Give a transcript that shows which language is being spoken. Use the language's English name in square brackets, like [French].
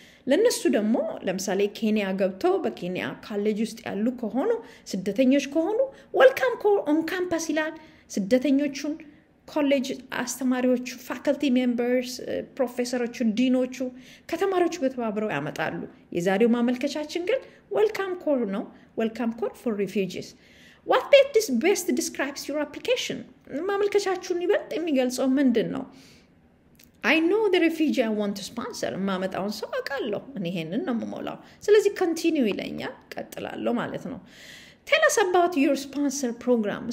[Amharic] ለነሱ ደሞ ለምሳሌ ኬንያ ገብተው በኬንያ ካሌጅ ውስጥ ያሉ ከሆኑ ስደተኞች ከሆኑ ዌልካም ኮር ኦን ካምፓስ ይላል። ስደተኞቹን ኮሌጅ አስተማሪዎቹ ፋካልቲ ሜምበርስ ፕሮፌሰሮቹ ዲኖቹ ከተማሪዎቹ በተባብረው ያመጣሉ። የዛሬው ማመልከቻችን ግን ዌልካም ኮር ነው። ዌልካም ኮር ፎር ሪፊጂስ። [English] What best this best describes your application? [Amharic] ማመልከቻችሁን ይበልጥ የሚገልጸው ምንድነው? [English] I know the refugee I want to sponsor. [Amharic] ማመጣውን ሰው አቃለሁ። እኔ ይሄንን ነው የምሞላው። ስለዚህ continue ይለኛል። ቀጥላለሁ ማለት ነው። [English] Tell us about your sponsor program.